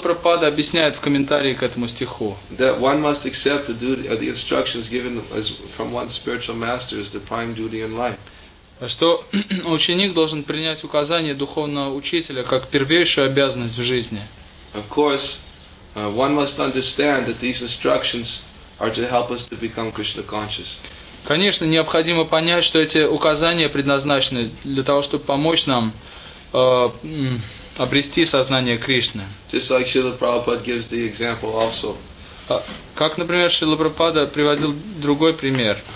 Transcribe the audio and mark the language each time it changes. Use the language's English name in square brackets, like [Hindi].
[Russian] Прабхупада объясняет в комментарии к этому стиху, [English] that one must accept the duty, the instructions given as from one's spiritual master as the prime duty in life. [Russian] Что ученик должен принять указания духовного учителя как первейшую обязанность в жизни. [English] Of course, one must understand that these instructions are to help us to become Krishna conscious. [Russian] Конечно, необходимо понять, что эти указания предназначены для того, чтобы помочь нам обрести сознание Кришны. [English] Just like Srila Prabhupada gives the example also. [Russian] Как, например, Шрила Прабхупада приводил другой пример.